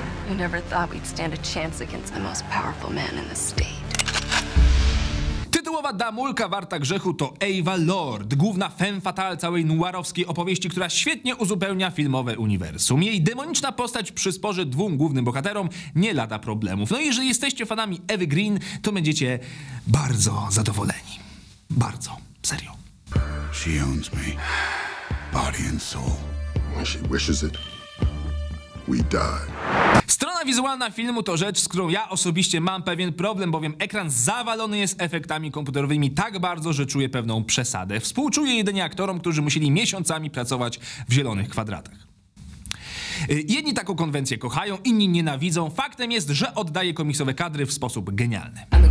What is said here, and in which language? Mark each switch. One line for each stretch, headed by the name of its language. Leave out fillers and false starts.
English: You never thought we'd stand a chance against the most powerful man in the state.
Polish: Tytułowa Damulka warta grzechu to Ava Lord, główna femme fatale całej noirowskiej opowieści, która świetnie uzupełnia filmowe uniwersum. Jej demoniczna postać przysporzy dwóm głównym bohaterom nie lada problemów. No i jeżeli jesteście fanami Ewy Green, to będziecie bardzo zadowoleni. Bardzo. Serio.
English: She owns me. Body and soul. When she wishes it, we die.
Polish: Strona wizualna filmu to rzecz, z którą ja osobiście mam pewien problem, bowiem ekran zawalony jest efektami komputerowymi tak bardzo, że czuję pewną przesadę. Współczuję jedynie aktorom, którzy musieli miesiącami pracować w zielonych kwadratach. Jedni taką konwencję kochają, inni nienawidzą. Faktem jest, że oddaje komiksowe kadry w sposób genialny.